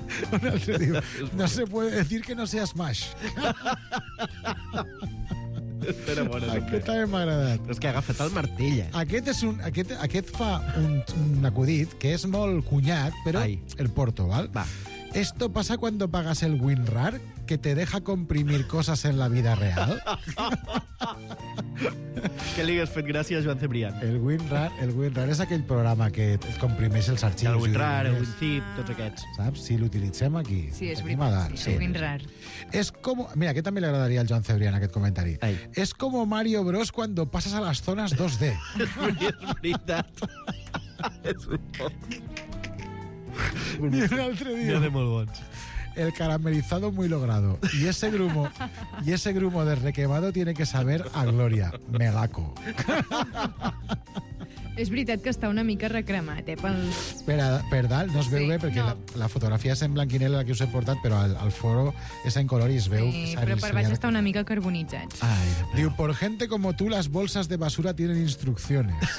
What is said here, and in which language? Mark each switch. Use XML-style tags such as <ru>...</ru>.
<ca>Un altre diu,</ca> <es>no se puede decir que no sea Smash.</es> <ca>Era bona, aquest també m'ha agradat. És que ha agafat el martell, eh? Aquest, és un, aquest fa un acudit que és molt cunyat, però ai. El porto, val? Va.</ca> <es>¿Esto pasa cuando pagas el WinRAR que te deja comprimir cosas en la vida real?</es> <ca>Què li has fet gràcies, Joan Cebrián? El WinRAR és aquell programa que et comprimeix els arxius. El WinRAR, el WinZip, tots aquests. Saps? Si l'utilitzem aquí. Sí, és veritat. Sí, el WinRAR. És com... Mira, aquest també li agradaria al Joan Cebrián, aquest comentari. Ai. És com</ca> <es>Mario Bros cuando pasas a las zonas 2D.</es> <ca>És veritat. És un poc...</ca> <es>Y el otro día,</es> <ca>de molt bons.</ca> <es>El caramelizado muy logrado. Y ese grumo de requemado tiene que saber a gloria. Melaco.</es> <ca>És veritat que està una mica recremat, eh? Per dalt no es veu bé, perquè la fotografia és en blanc i negre la que us he portat, però al foro és en color i es veu... Sí, però per baix està una mica carbonitzat. Ai, diu,</ca> <es>por gente como tú, las bolsas de basura tienen instrucciones.</es>